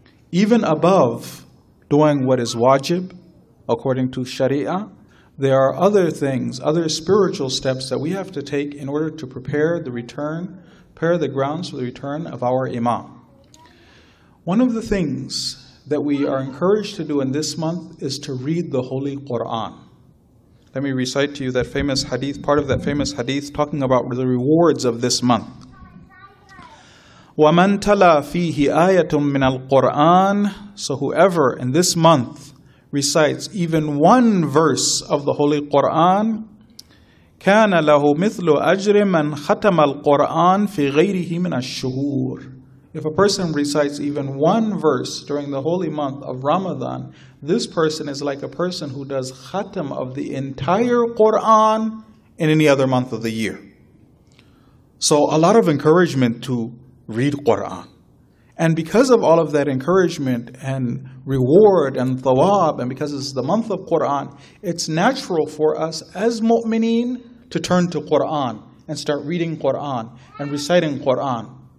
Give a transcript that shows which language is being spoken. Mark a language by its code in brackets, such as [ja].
[en] Even above doing what is wajib, according to Sharia, there are other things, other spiritual steps that we have to take in order to prepare the return, prepare the grounds for the return of our Imam. One of the things that we are encouraged to do in this month is to read the Holy Quran. Let me recite to you that famous hadith, part of that famous hadith talking about the rewards of this month. [ar] وَمَنْ تَلَى فِيهِ آيَةٌ مِّنَ الْقُرْآنِ [en] So whoever in this month recites even one verse of the Holy Quran, [ar] كان له مثل أجر من ختم القرآن في غيره من الشهور. [en] If a person recites even one verse during the holy month of Ramadan, this person is like a person who does khatam of the entire Quran in any other month of the year. So a lot of encouragement to read Quran. And because of all of that encouragement and reward and thawab, and because it's the month of Quran, it's natural for us as mu'mineen to turn to Quran and start reading Quran and reciting Quran.